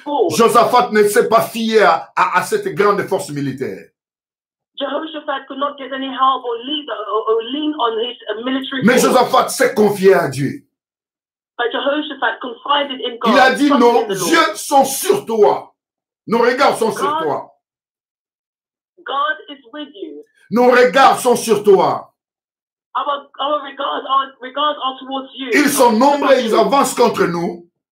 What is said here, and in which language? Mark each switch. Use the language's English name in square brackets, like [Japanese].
[French] Josaphat ne s'est pas fié à cette grande force militaire. [English] Jehoshaphat could not get any help or lean on his military force. [French] Mais Josaphat s'est confié à Dieu. [English] But Jehoshaphat confided in God. [French] Il a dit, nos yeux sont sur toi. Nos regards sont sur toi. [English] God is with you. [French] Nos regards sont sur toi. [English] Our regards are towards you. [French] Ils sont nombreux, ils avancent contre nous.